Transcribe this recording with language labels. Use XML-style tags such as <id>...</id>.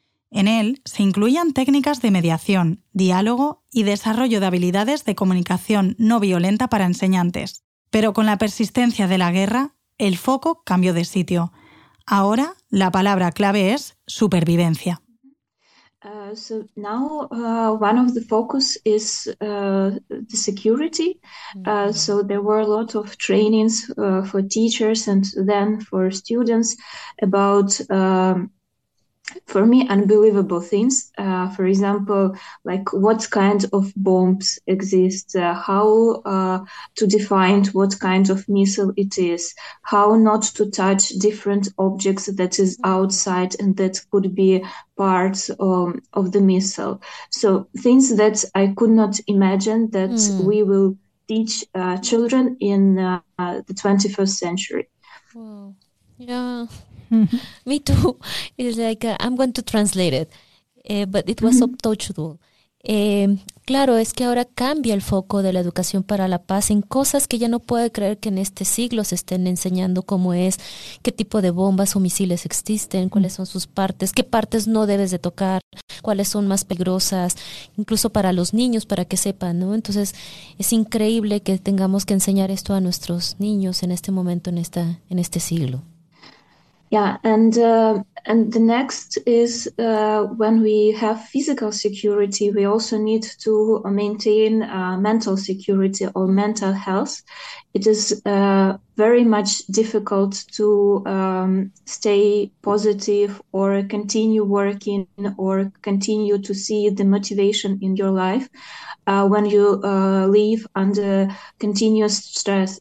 <es>En él se incluían técnicas de mediación, diálogo y desarrollo de habilidades de comunicación no violenta para enseñantes. Pero con la persistencia de la guerra, el foco cambió de sitio. Ahora, la palabra clave es supervivencia.</es> <en>So now one of the focus is the security. So there were a lot of trainings for teachers and then for students about, for me, unbelievable things. For example, like what kind of bombs exist, how to define what kind of missile it is, how not to touch different objects that is outside and that could be part of the missile. So things that I could not imagine that we will teach children in the 21st century. Wow. Yeah. Me too. It's like I'm going to translate it, but it was untouchable.</en> <es>Claro, es que ahora cambia el foco de la educación para la paz en cosas que ya no puede creer que en este siglo se estén enseñando, como es qué tipo de bombas o misiles existen, cuáles son sus partes, qué partes no debes de tocar, cuáles son más peligrosas, incluso para los niños, para que sepan, ¿no? Entonces es increíble que tengamos que enseñar esto a nuestros niños en este momento, en este siglo.</es> <en>Yeah, and the next is when we have physical security, we also need to maintain mental security or mental health. It is very much difficult to stay positive or continue working or continue to see the motivation in your life when you live under continuous stress.</en>